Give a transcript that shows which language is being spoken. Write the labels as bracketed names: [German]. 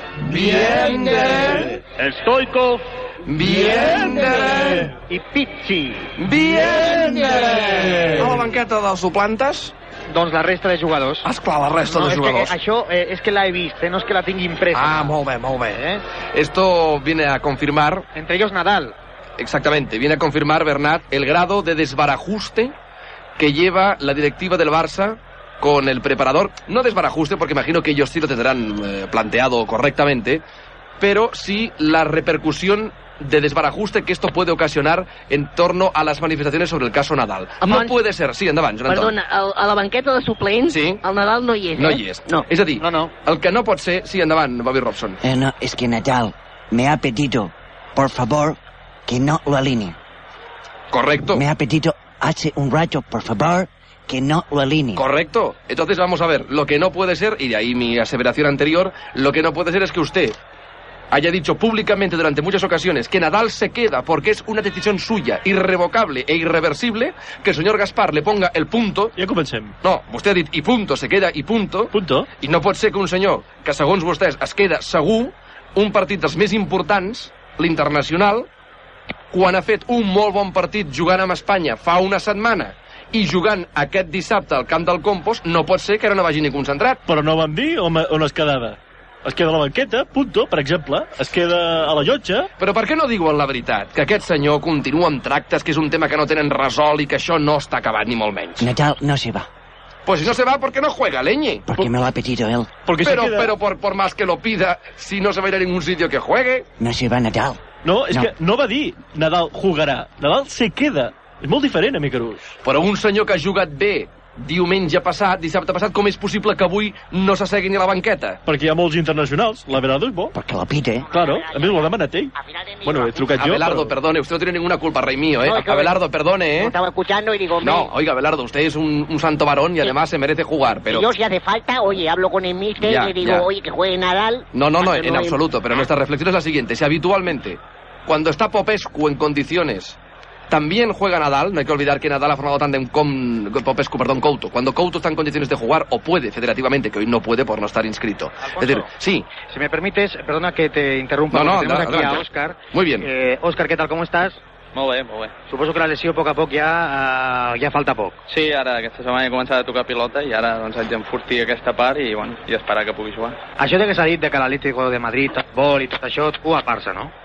[Catalan] Viendere. Stoikov. Viendere. I Pizzi. Viendere. A la banqueta dels suplantes. Doncs la resta de jugadors. Esclar, la resta de jugadors. Això és que l'he vist, no és que la tingui impresa. Ah, molt bé, molt bé. [Spanish] Esto viene a confirmar... Entre ellos Nadal. Exactamente, viene a confirmar, Bernat, el grado de desbarajuste que lleva la directiva del Barça con el preparador. No desbarajuste, porque imagino que ellos sí lo tendrán planteado correctamente, pero sí la repercusión de desbarajuste que esto puede ocasionar en torno a las manifestaciones sobre el caso Nadal. No puede ser. [Catalan] Sí, endavant, [Spanish] Joan Anton. [Catalan] Perdona, a la banqueta de suplents, sí. El Nadal no hi és, no eh? No hi és. No. És a dir, no. El que no pot ser... Sí, endavant, Bobby Robson. [Spanish] No, es que Nadal me ha pedido, por favor... Que no lo alinee. Correcto. Me ha pedido hace un rato, por favor, que no lo alinee. Correcto. Entonces vamos a ver, lo que no puede ser, y de ahí mi aseveración anterior, lo que no puede ser es que usted haya dicho públicamente durante muchas ocasiones que Nadal se queda porque es una decisión suya, irrevocable e irreversible, que el señor Gaspar le ponga el punto... [Catalan] Ya comencem. [Spanish] No, usted ha dicho y punto, se queda y punto. Punto. Y no puede ser que un señor, [Catalan] que segons vostès es queda segur, un partit dels més importants, l'internacional... quan ha fet un molt bon partit jugant amb Espanya fa una setmana i jugant aquest dissabte al camp del Compos, no pot ser que ara no vagi ni concentrat. Però no vam dir on es quedava. Es queda a la banqueta, punto, per exemple. Es queda a la llotja. Però per què no diuen la veritat? Que aquest senyor continua amb tractes, que és un tema que no tenen resolt i que això no està acabat, ni molt menys. [Spanish] Nadal no se va. Pues si no se va, ¿por qué no juega, Leñe? Porque me lo ha pedido él. Porque pero queda... pero por más que lo pida, si no se va a ir a ningún sitio que juegue... No se va Nadal. No, es no. que no va a dir Nadal jugará. Nadal se queda. Es muy diferente, amigo Rus. Pero un señor [Catalan] que ha jugat bé diumenge passat, dissabte passat, com és possible que avui no s'assegui ni a la banqueta? Perquè hi ha molts internacionals. L'Abelardo és bo. Perquè [Spanish] la pide. [Catalan] Claro, a més ho ha demanat ell. Bueno, he trucat Abelardo, jo. Abelardo, però... [Spanish] perdone, usted no tiene ninguna culpa, rey mío, eh? No, Abelardo, perdone, eh? Estaba escuchando y digo... No, oiga, Abelardo, usted es un santo varón y además se merece jugar, pero... Si Dios ya de falta, oye, hablo con el míster y le digo, ya. Oye, que juegue Nadal... No, en absoluto, pero nuestra reflexión es la siguiente. Si habitualmente, cuando está Popescu en condiciones... También juega Nadal, no hay que olvidar que Nadal ha formado tándem con Popescu, perdón, Couto. Cuando Couto está en condiciones de jugar, o puede federativamente, que hoy no puede por no estar inscrito. Alfonso, es decir, sí. Si me permites, perdona que te interrumpa, no, tenemos aquí adelante. A Óscar. Muy bien. Óscar, ¿qué tal, cómo estás? [Catalan] Molt bé, molt bé. Suposo que la lesió a poc a poc ja, ja falta poc. Sí, ara aquesta setmana he començat a tocar pilota i ara doncs haig d'enfortir aquesta part i, bueno, i esperar que pugui jugar. Això de que s'ha dit que l'Atlético de Madrid, el vol i tot això, tu a part-se, no?